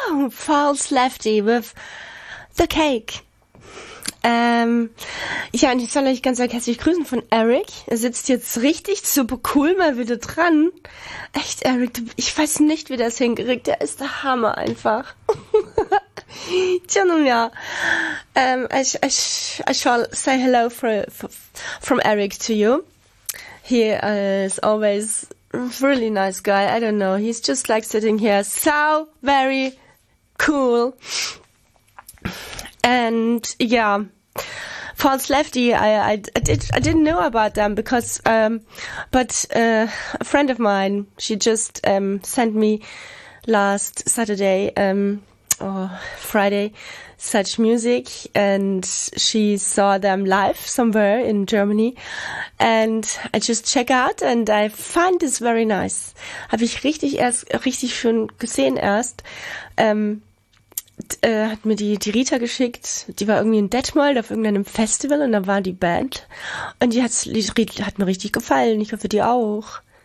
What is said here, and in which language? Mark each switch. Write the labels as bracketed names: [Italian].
[English] False Lefty with the cake. [German] Ja, und ich soll euch ganz herzlich grüßen von Eric. Er sitzt jetzt richtig super cool mal wieder dran. Echt, Eric, ich weiß nicht, wie der es hingekriegt. Der ist der Hammer einfach. Tja, nun ja. [English] I shall say hello from Eric to you. He is always a really nice guy. I don't know. He's just like sitting here. So very cool. And yeah. False Lefty, I didn't know about them because, a friend of mine, she just sent me last Saturday or Friday such music, and she saw them live somewhere in Germany, and I just check out and I find this very nice. [German] Habe ich richtig schön gesehen erst. Hat mir die Rita geschickt, die war irgendwie in Detmold auf irgendeinem Festival und da war die Band und die hat mir richtig gefallen, ich hoffe die auch.